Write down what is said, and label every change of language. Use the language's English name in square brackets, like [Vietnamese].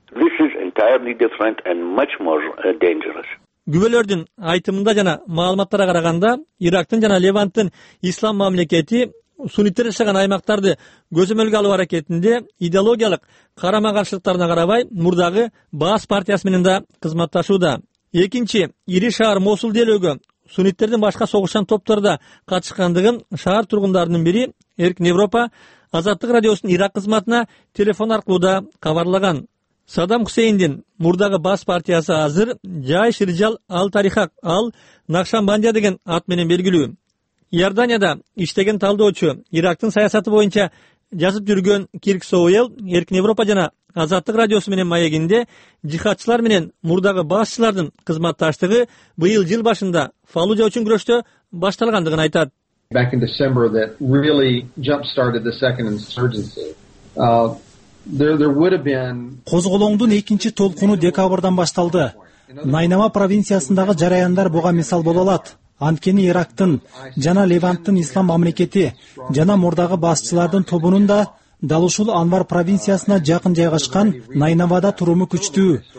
[English] This is entirely different and much more dangerous. [Kyrgyz] Күбөлөрдүн айтымында жана маалыматтарга караганда, Ирактын жана Левантын ислам мамлекети суниттер жашаган аймактарды көзөмөлгө алуу аракетинде идеологиялык карама-каршылыктарына карабай, мурдагы Баас партиясы менен да кызматташууда. Экинчи ири шаар Мосул делөөгө суниттердин башка согушчан топторда катышкандыгын шаар тургундарынын бири Эркин Европа Азаттык радиосунун Ирак кызматына телефон аркылуу да кабарлаган. Саддам Хусейндин мурдагы бас партиясы азыр Жайш Ирджал ал Тарихак ал Накшабандия деген ат менен белгилүү. Иорданияда иштеген талдоочу Ирактын саясаты боюнча жазып жүргөн Кирк Соуэл Эркин Европа жана Азаттык радиосу менен маегинде жихатчылар менен мурдагы башчылардын кызматташтыгы быйыл жыл башында Фалужа үчүн күрөштө башталгандыгын айтат. [English] Back in December that really jump started the second insurgency. There would have been [Kyrgyz] Козголоңдун экинчи толкуну декабрдан башталды. Найнама провинциясындагы жараяндар буга мисал боло алат. Анткени Ирактын жана Леванттын ислам мамлекети жана мурдагы басчылардын тобунун да дал ушул Анвар провинциясына жакын жайгашкан Найнавада туруму күчтүү.